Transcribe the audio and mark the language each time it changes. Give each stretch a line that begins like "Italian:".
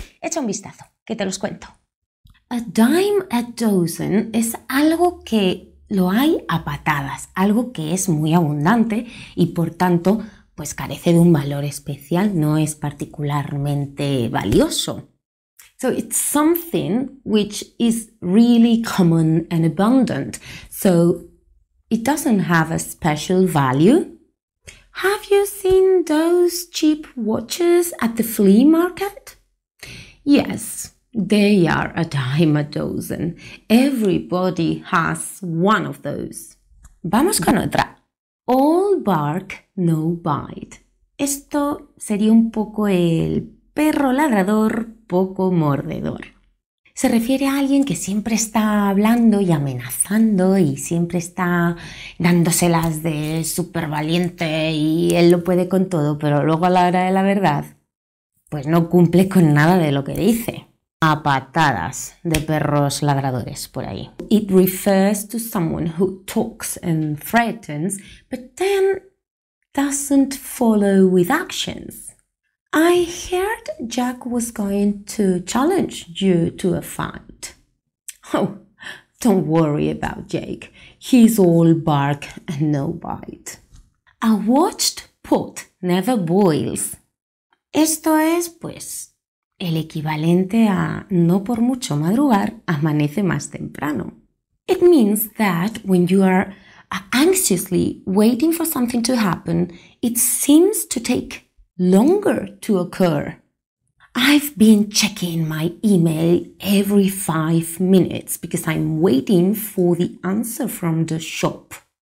Spanish: Echa un vistazo, que te los cuento.
English: A dime a dozen
Spanish: es algo que lo hay a patadas, algo que es muy abundante y por tanto pues carece de un valor especial, no es particularmente valioso.
English: So it's something which is really common and abundant, so it doesn't have a special value. Have you seen those cheap watches at the flea market? Yes, they are a dime a dozen. Everybody has one of those.
Spanish: Vamos con otra.
English: All bark, no bite.
Spanish: Esto sería un poco el perro ladrador, poco mordedor. Se refiere a alguien que siempre está hablando y amenazando y siempre está dándoselas de súper valiente y él lo puede con todo, pero luego a la hora de la verdad, pues no cumple con nada de lo que dice. A patadas de perros ladradores por ahí.
English: It refers to someone who talks and threatens, but then doesn't follow with actions. I heard Jack was going to challenge you to a fight. Oh, don't worry about Jake. He's all bark and no bite. A watched pot never boils.
Spanish: Esto es, pues, el equivalente a no por mucho madrugar, amanece más temprano.
English: It means that when you are anxiously waiting for something to happen, it seems to take longer to occur. I've been checking my email every 5 minutes because I'm waiting for the answer from the shop.